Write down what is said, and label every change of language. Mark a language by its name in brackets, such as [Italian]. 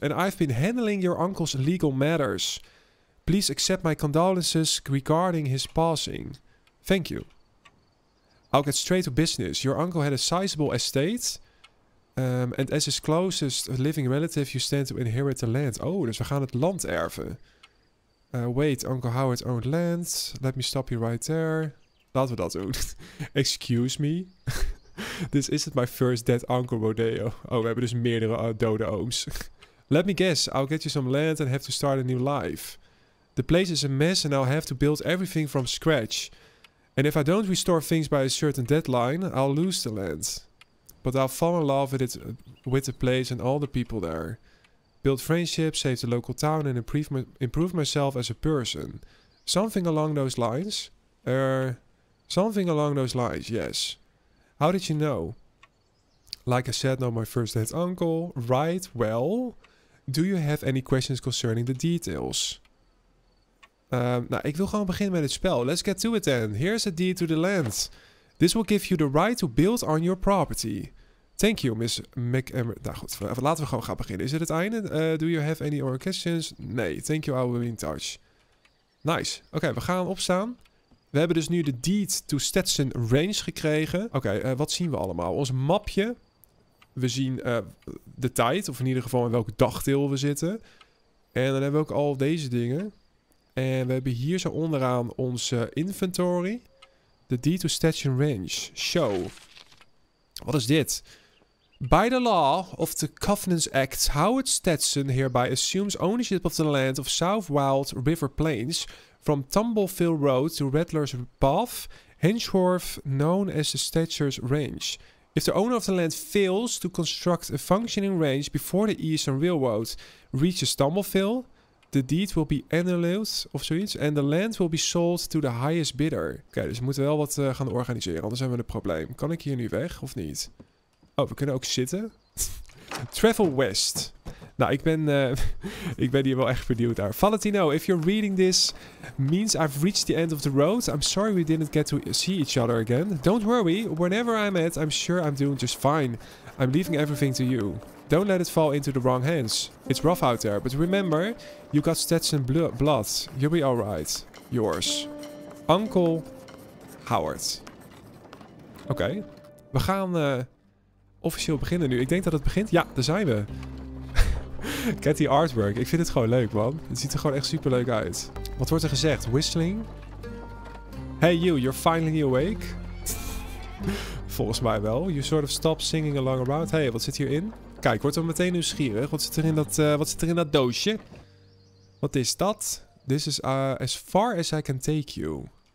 [English] And I've been handling your uncle's legal matters. Please accept my condolences regarding his passing. Thank you. I'll get straight to business. Your uncle had a sizable estate. And as his closest living relative, you stand to inherit the land. [Dutch] Oh, dus we gaan het land erven. [English] Wait, Uncle Howard owned land. Let me stop you right there. [Dutch] Laten we dat doen. [English] Excuse me. This isn't my first dead uncle rodeo. [Dutch] Oh, we hebben dus meerdere dode ooms. [English] Let me guess. I'll get you some land and have to start a new life. The place is a mess and I'll have to build everything from scratch. And if I don't restore things by a certain deadline, I'll lose the land. But I'll fall in love with it, with the place and all the people there. Build friendships, save the local town and improve myself as a person. Something along those lines. Something along those lines, yes. How did you know? Like I said, not my first dead uncle. Right, well. Do you have any questions concerning the details? [Dutch] Nou, ik wil gewoon beginnen met het spel. [English] Let's get to it then. Here's a deed to the land. This will give you the right to build on your property. Thank you, Miss McEmmer. [Dutch] Nou goed, laten we gewoon gaan beginnen. Is het het einde? [English] Do you have any other questions? Nee, thank you, I will be in touch. [Dutch] Nice. Oké, we gaan opstaan. We hebben dus nu de Deed to Stetson Range gekregen. Oké, wat zien we allemaal? Ons mapje. We zien de tijd, of in ieder geval in welk dagdeel we zitten. En dan hebben we ook al deze dingen. En we hebben hier zo onderaan onze inventory. De Deed to Stetson Range. Show. Wat is dit? [English] By the law of the Covenants Act, Howard Stetson hereby assumes ownership of the land of South Wild River Plains from Tumbleville Road to Rattler's Path, henceforth known as the Stetson's Range. If the owner of the land fails to construct a functioning range before the Eastern Railroad reaches Tumbleville, the deed will be annulled [Dutch] of zoiets, [English] and the land will be sold to the highest bidder. [Dutch] Oké, dus we moeten wel wat gaan organiseren, anders hebben we een probleem. Kan ik hier nu weg of niet? Oh, we kunnen ook zitten. [English] Travel west. [Dutch] Nou, ik ben hier wel echt benieuwd naar. [English] Valentino, if you're reading this, means I've reached the end of the road. I'm sorry we didn't get to see each other again. Don't worry, whenever I'm at, I'm sure I'm doing just fine. I'm leaving everything to you. Don't let it fall into the wrong hands. It's rough out there, but remember, you got Stetson blood. You'll be alright. Yours. Uncle Howard. Oké. Okay. [Dutch] We gaan officieel beginnen nu. Ik denk dat het begint. Ja, daar zijn we. [English] Get the artwork. [Dutch] Ik vind het gewoon leuk, man. Het ziet er gewoon echt super leuk uit. Wat wordt er gezegd? [English] Whistling? Hey you, you're finally awake. [Dutch] Volgens mij wel. [English] You sort of stop singing along around. Hey, [Dutch] wat zit hierin? Kijk, wordt er meteen nieuwsgierig. Wat zit er in dat, doosje? Wat is dat? [English] This is as far as I can take you.